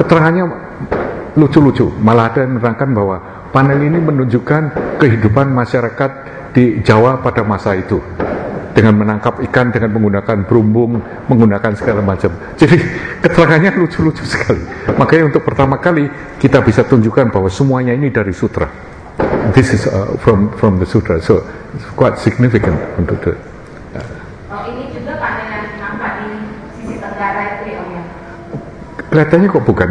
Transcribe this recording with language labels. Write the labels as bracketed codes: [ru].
[id] Keterangannya lucu-lucu. Malah ada yang menerangkan bahwa panel ini menunjukkan kehidupan masyarakat di Jawa pada masa itu dengan menangkap ikan dengan menggunakan berumbung, menggunakan segala macam. Jadi keterangannya lucu-lucu sekali. Makanya untuk pertama kali kita bisa tunjukkan bahwa semuanya ini dari sutra. [en] This is from the sutra, so it's quite significant. [id] Untuk itu. Oh, ini juga panel yang nampak di sisi tenggara itu, ya, Om. Kelihatannya kok bukan.